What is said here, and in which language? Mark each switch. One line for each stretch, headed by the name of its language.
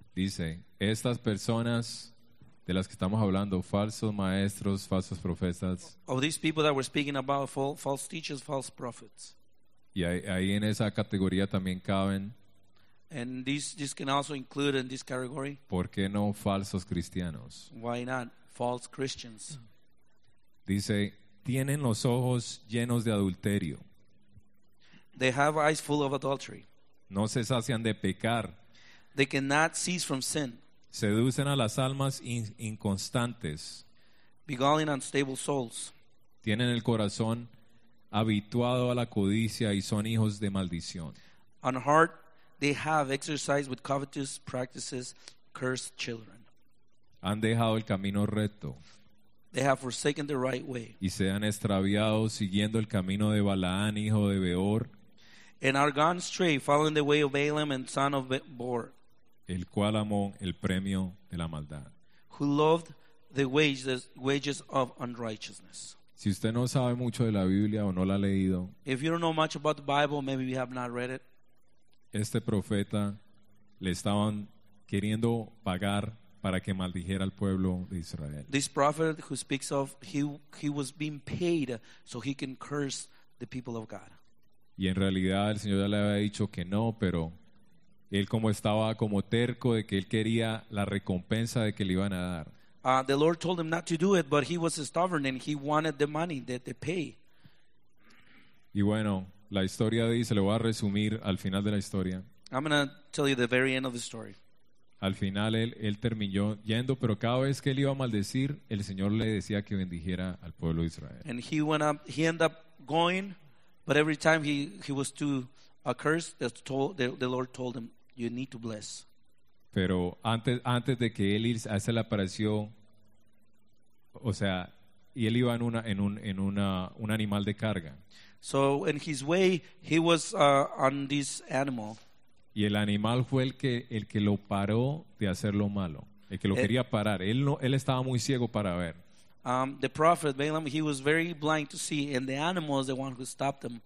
Spanish: Dice, estas personas de las que estamos hablando, falsos maestros, falsos profetas.
English: Of these people that we're speaking about, false teachers, false prophets.
Spanish: Y ahí en esa categoría también caben.
English: And this can also include in this category.
Spanish: ¿Por qué no falsos cristianos?
English: Why not false Christians?
Spanish: Dice, tienen los ojos llenos de adulterio.
English: They have eyes full of adultery.
Spanish: No se sacian de pecar.
English: They cannot cease from sin.
Spanish: Seducen a las almas inconstantes.
English: Beguiling unstable souls.
Spanish: Tienen el corazón habituado a la codicia y son hijos de maldición.
English: On heart, they have exercised with covetous practices, cursed children.
Spanish: Han dejado el camino recto.
English: They have forsaken the right way.
Spanish: Y se han extraviado siguiendo el camino de Balaán, hijo de Beor.
English: And are gone astray, following the way of Balaam and son of Beor.
Spanish: El cual amó el premio de la maldad.
English: Who loved the wages of unrighteousness.
Spanish: Si usted no sabe mucho de la Biblia o no la ha leído.
English: If you don't know much about the Bible, maybe you have not read it.
Spanish: Este profeta le estaban queriendo pagar para que maldijera al pueblo de Israel.
English: This prophet who speaks of, he was being paid so he can curse the people of God.
Spanish: Y en realidad el Señor ya le había dicho que no, pero él como estaba como terco de que él quería la recompensa de que le iban a dar.
English: The Lord told him not to do it, but he was stubborn and he wanted the money, the pay.
Spanish: Y bueno, la historia dice, le voy a resumir al final de la historia.
English: I'm going to tell you the very end of the story.
Spanish: Al final él terminó yendo, pero cada vez que él iba a maldecir, el Señor le decía que bendijera al pueblo de Israel.
English: And he ended up going. But every time he was too accursed, the Lord told him, "You need to bless."
Spanish: Pero antes de que él hace la aparición, o sea, y él iba en un animal de carga.
English: So in his way, he was on this animal.
Spanish: Y el animal fue el que lo paró de hacer lo malo, el que lo quería parar. Él no, él estaba muy ciego para ver.
English: The prophet Balaam, he was very blind to see, and the animal is the one who stopped him.